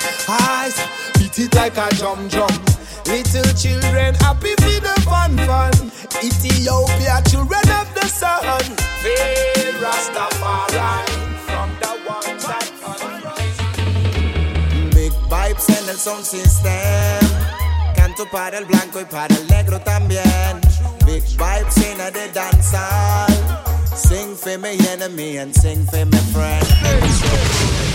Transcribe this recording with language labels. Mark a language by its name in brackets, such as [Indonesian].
[English] Eyes beat it like a drum drum. Little children happy for the fun fun. Ethiopia children of the sun. Feel Rastafari from the one that confronts me. Big vibes and the sound system. [Spanish] Canto para el blanco y para el negro también. [English] Big vibes in a de dancehall. Sing for me enemy and sing for me friend.